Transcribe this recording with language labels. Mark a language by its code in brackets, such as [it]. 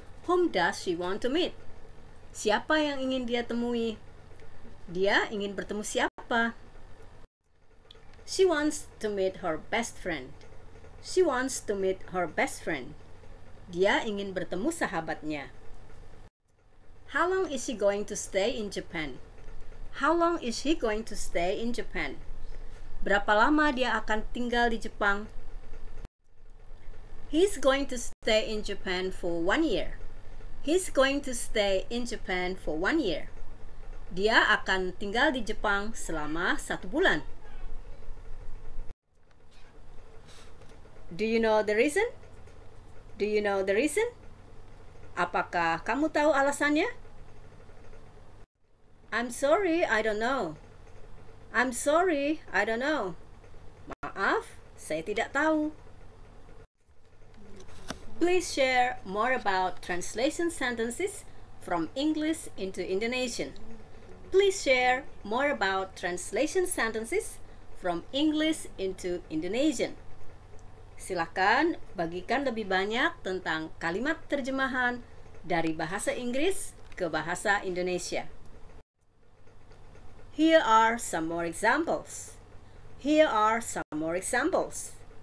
[en] Whom does she want to meet? [id] Siapa yang ingin dia temui? Dia ingin bertemu siapa? [en] She wants to meet her best friend. She wants to meet her best friend. [id] Dia ingin bertemu sahabatnya. [en] How long is she going to stay in Japan? How long is he going to stay in Japan? [id] Berapa lama dia akan tinggal di Jepang? [en] He's going to stay in Japan for 1 year. He's going to stay in Japan for 1 year. [id] Dia akan tinggal di Jepang selama 1 bulan. [en] Do you know the reason? Do you know the reason? [id] Apakah kamu tahu alasannya? [en] I'm sorry, I don't know. I'm sorry, I don't know. [id] Maaf, saya tidak tahu. [en] Please share more about translation sentences from English into Indonesian. Please share more about translation sentences from English into Indonesian. [id] Silakan bagikan lebih banyak tentang kalimat terjemahan dari bahasa Inggris ke bahasa Indonesia. [en] Here are some more examples. Here are some more examples.